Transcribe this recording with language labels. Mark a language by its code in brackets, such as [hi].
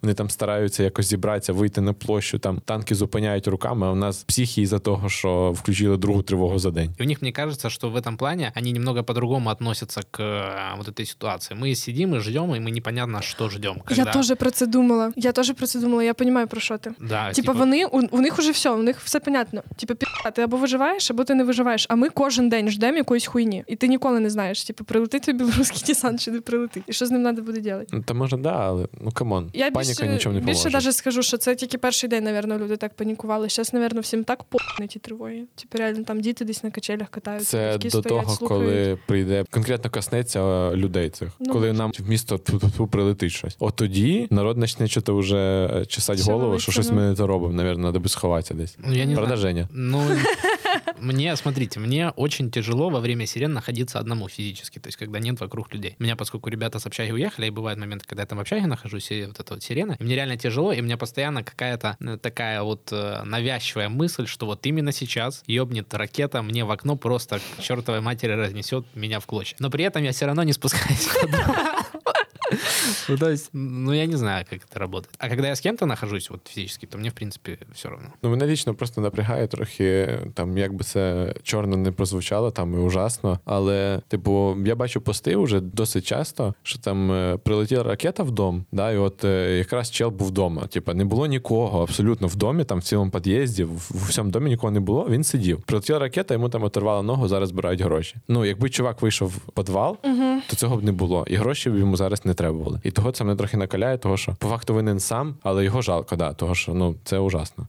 [uk] Вони там стараються якось зібратися, вийти на площу, там танки зупиняють руками, а у нас психі із-за того, що включили другу тривогу за день. І в них, мені кажеться, що в цьому плані вони немного по-другому відносяться [ru] к вот этой [uk] ситуації. Ми сидимо і ждемо, і ми непонятно, що ждемо. [ru] Когда... [uk] Я теж про це думала, я розумію, про що ти. Да, типа, вони, у них уже все, у них все понятно. Типа, ти або виживаєш, або ти не виживаєш, а ми кожен день ждемо якоїсь хуйні. І ти ніколи не знаєш, типу, прилетить тобі білоруський десант чи не прилетить. І що з ним треба буде робити? Ну, то може, да, але, ну, камон. Я більше навіть скажу, що це тільки перший день, мабуть, люди так панікували. Зараз, мабуть, всім так по***не ті тривоги. Типу, реально, там діти десь на качелях катаються. Це до стоять, того, слухають. Коли прийде, конкретно коснеться людей цих. Ну, коли нам в місто прилетить щось. От тоді народ почне чи-то вже чесати голову, що щось ми не то робимо. [ru] Наверное, [uk] треба сховатися десь. Ну, я не знаю. [ru] Мне, смотрите, мне очень тяжело во время сирен находиться одному физически, то есть когда нет вокруг людей. У меня, поскольку ребята с общаги уехали, и бывают моменты, когда я там в общаге нахожусь, и вот эта вот сирена, и мне реально тяжело, и у меня постоянно какая-то такая вот навязчивая мысль, что вот именно сейчас ёбнет ракета мне в окно, просто к чёртовой матери разнесёт меня в клочья. Но при этом я всё равно не спускаюсь в окно. Ну, то есть, ну, я не знаю, как это работает. А когда я с кем-то нахожусь, вот физически, то мне, в принципе, все равно. Ну, меня лично просто напрягает [uk] трохи, [ru] там, как бы это черно не прозвучало, там, и ужасно, [uk] але, типу, я бачу пости уже досить часто, [ru] что там прилетела ракета в дом, да, и вот [uk] якраз чел був [ru] дома. [uk] Типа, не було нікого абсолютно в домі, там, в цілому під'їзді, в всьому домі нікого не було, він сидів. Прилетіла ракета, йому там оторвало ногу, зараз збирають гроші. Ну, якби чувак вийшов в підвал, то цього б не було, і гроші б йому зараз не треба було. зробили. І того це мене трохи накаляє, того що по факту винен сам, але його жалко, да, того що ну це ужасно.